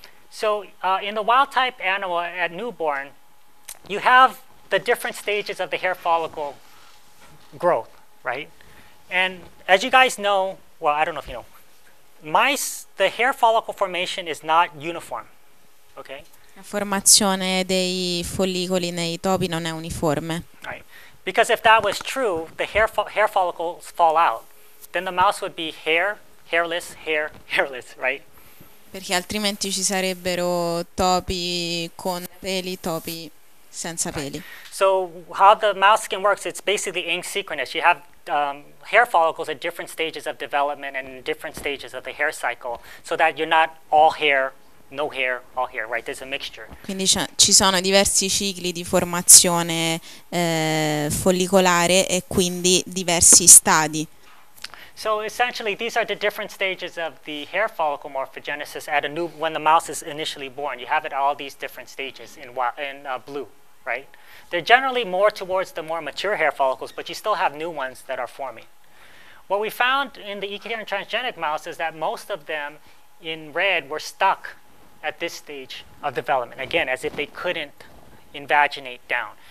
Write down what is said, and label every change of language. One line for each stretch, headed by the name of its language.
English: So in the wild type animal at newborn, you have the different stages of the hair follicle growth, right? And as you guys know, well, I don't know if you know, mice, the hair follicle formation is not uniform, okay?
Italian: La formazione dei follicoli nei topi non è uniforme.
English: Right. Because if that was true, the hair follicles fall out. Then the mouse would be hairless, right?
Italian: Perché altrimenti ci sarebbero topi con peli, topi senza peli.
English: Right. So how the mouse skin works, it's basically asynchronous. You have hair follicles at different stages of development and different stages of the hair cycle, so that you're not all hair, no hair, all hair, right? There's a mixture.
Italian: Quindi ci sono diversi cicli di formazione follicolare e quindi diversi stadi.
English: So essentially, these are the different stages of the hair follicle morphogenesis at a new, when the mouse is initially born. You have it at all these different stages in blue, right? They're generally more towards the more mature hair follicles, but you still have new ones that are forming. What we found in the ecotherin transgenic mouse is that most of them in red were stuck at this stage of development, again, as if they couldn't invaginate down.